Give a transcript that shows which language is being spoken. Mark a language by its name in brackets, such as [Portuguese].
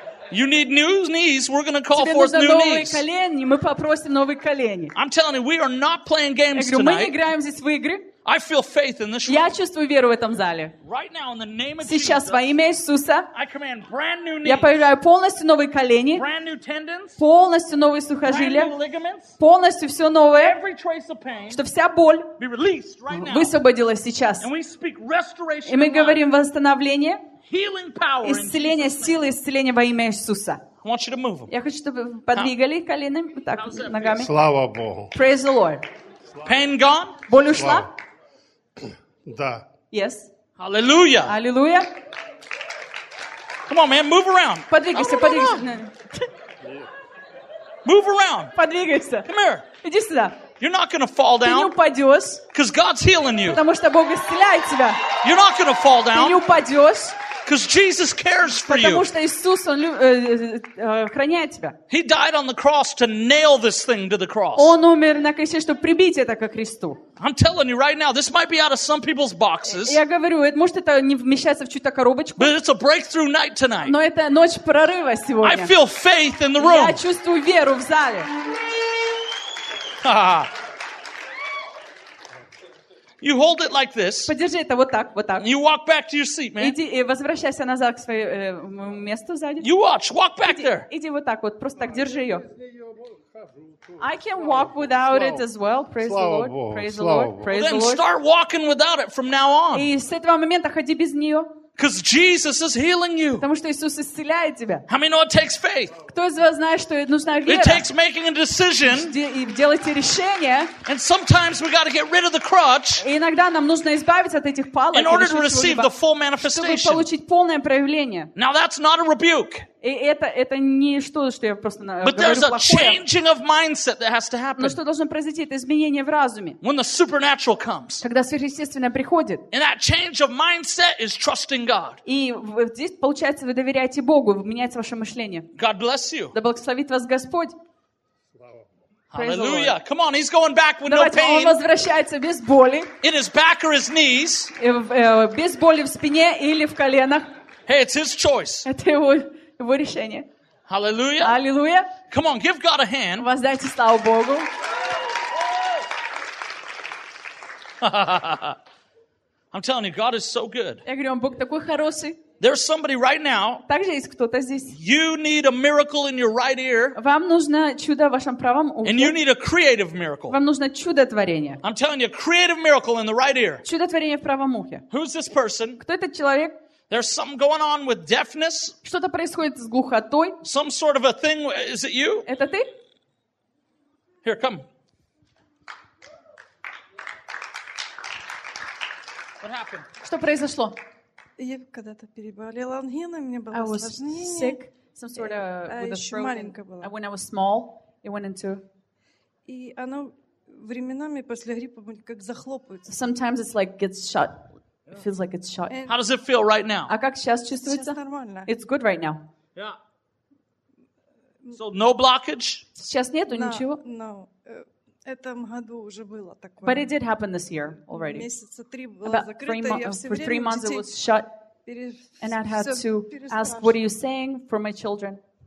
[English] You need new knees, we're going to call forth new knees. [Russian] Тебе нужны новые колени, мы попросим новые колени. [English] I'm telling you, we are not playing games tonight. [Russian] Мы не играем здесь в игры. [English] I feel faith in this room. [Russian] Я чувствую веру в этом зале. [English] Right now, in the name of [Russian] Jesus, сейчас во имя Иисуса, [English] I command brand new knees. [Russian] Я повелеваю полностью новые колени, [English] brand new tendons, [Russian] полностью новые сухожилия, [English] brand new ligaments, [Russian] полностью все новое, [English] every trace of pain, [Russian] что вся боль [English] be released right now. [Russian] Высвободилась сейчас. [English] And we speak restoration, [Russian] и мы говорим восстановление, [English] healing power, [Russian] исцеление, силы исцеления во имя Иисуса. [English] I want you to move them. [Russian] Я хочу, чтобы вы подвигали колени, вот так, ногами. Слава Богу. [English] Praise the Lord. Pain gone? [Russian] Боль ушла? Да. [English] Yes. Hallelujah. Hallelujah. Come on, man, move around. [Russian] Подвигайся, подвигайся. [English] Move around. [Russian] Подвигайся. [English] Come here. [Russian] Иди сюда. [English] You're not going to fall down. [Russian] Ты не упадешь. [English] Because God's healing you. [Russian] Потому что Бог исцеляет тебя. [English] You're not going to fall down. [Russian] Ты не упадешь. [English] Because Jesus cares for you. [Russian] Потому что Иисус он охраняет тебя. [English] He died on the cross to nail this thing to the cross. [Russian] Он умер на кресте, чтобы прибить это ко кресту. [English] I'm telling you right now, this might be out of some people's boxes. [Russian] Я говорю, может это не вмещается в чью-то коробочку. [English] But it's a breakthrough night tonight. [Russian] Но это ночь прорыва сегодня. [English] I feel faith in the room. [Russian] Я чувствую веру в зале. [English] You hold it like this. [Russian] Подержи это вот так, вот так. [English] You walk back to your seat, man. [Russian] Иди и возвращайся назад к своему месту сзади. [English] You watch, walk back [Russian] иди, [English] there. [Russian] Иди вот так вот, просто так держи ее. [English] I can walk without it as well. Praise [Russian] Слава [English] the Lord. [Russian] Богу. [English] Praise [Russian] Слава [English] the Lord. [Russian] Богу. [English] Praise then the Lord. Start walking without it from now on. [Russian] И с этого момента ходи без нее. [English] Because Jesus is healing you. [Russian] Потому что Иисус исцеляет тебя. [English] How many know it takes faith? [Russian] Кто из вас знает, что нужна вера? [English] It takes making a decision. [Russian] И делайте решение. [English] And sometimes we got to get rid of the crutch. [Russian] И иногда нам нужно избавиться от этих палок. [English] In order to receive the full manifestation. [Russian] Чтобы получить полное проявление. [English] Now that's not a rebuke. [Russian] И это не что, что я просто говорю плохое. [English] But there's a changing of mindset that has to happen. [Russian] Но что должно произойти? Это изменение в разуме. [English] When the supernatural comes. [Russian] Когда сверхъестественное приходит. [English] And that change of mindset is trusting God. [Russian] И здесь получается, вы доверяете Богу, меняется ваше мышление. [English] God bless you. [Russian] Да благословит вас Господь. [English] Hallelujah! Come on, he's going back with [Russian] Давайте, [English] no pain. [Russian] Давайте, он возвращается без боли. [English] In his back or his knees. [Russian] Без боли в спине или в коленах. [English] Hey, it's his choice. [Russian] Это его. Его решение. [English] Hallelujah. Hallelujah. Come on, give God a hand. [Russian] Воздайте славу Богу. [English] I'm telling you, God is so good. [Russian] Я говорю, Бог такой хороший. [English] There's somebody right now. [Russian] Также есть кто-то здесь. [English] You need a miracle in your right ear. [Russian] Вам нужно чудо в вашем правом ухе. [English] And you need a creative miracle. [Russian] Вам нужно чудотворение. [English] I'm telling you, a creative miracle in the right ear. [Russian] Чудотворение в правом ухе. [English] Who's this person? [Russian] Кто этот человек? [English] There's something going on with deafness. [Russian] Что-то происходит с глухотой. [English] Some sort of a thing. Is it you? [Russian] Это ты? [English] Here, come. What happened? [Russian] Что произошло? Я когда-то переболела ангиной, мне было сложнее. [English] I was [Russian] сложнее. [English] Sick. Some sort of with a throat. [Russian] Маленькая была. [English] And when I was small, it went into. [Russian] И оно временами после гриппа как захлопывается. [English] Sometimes it's like gets shut. It feels like it's shot. How does it feel right now? [Russian] А как сейчас чувствуется? [English] It's good right now. Yeah. So no blockage? [Russian] Сейчас нету ничего? [English] No. [Russian] Этом году уже было такое. [English] But it did happen this year already. [Russian] Месяца три было закрыто. [English] For 3 months it was shut. And I had to ask, what are you saying for my children?